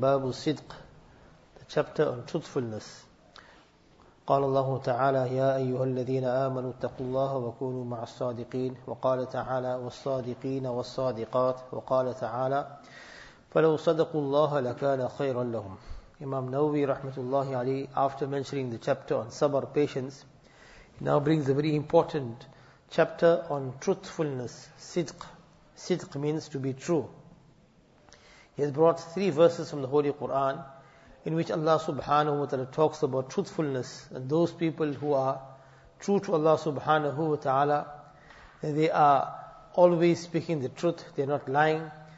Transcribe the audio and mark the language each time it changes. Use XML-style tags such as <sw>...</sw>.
<en>Babu Sidq, the chapter on truthfulness.</en> <ar>قال الله تعالى يا أيها الذين آمنوا اتقوا الله وكونوا مع الصادقين وقال تعالى والصادقين والصادقات وقال تعالى فلو صدقوا الله لكان خيرا لهم.</ar> <en>Imam Nawawi rahmatullahi alayhi, after mentioning the chapter on sabr, patience, he now brings a very important chapter on truthfulness, Sidq. Sidq means to be true. He has brought three verses from the Holy Quran in which Allah subhanahu wa ta'ala talks about truthfulness, and those people who are true to Allah subhanahu wa ta'ala, they are always speaking the truth, they are not lying.</en>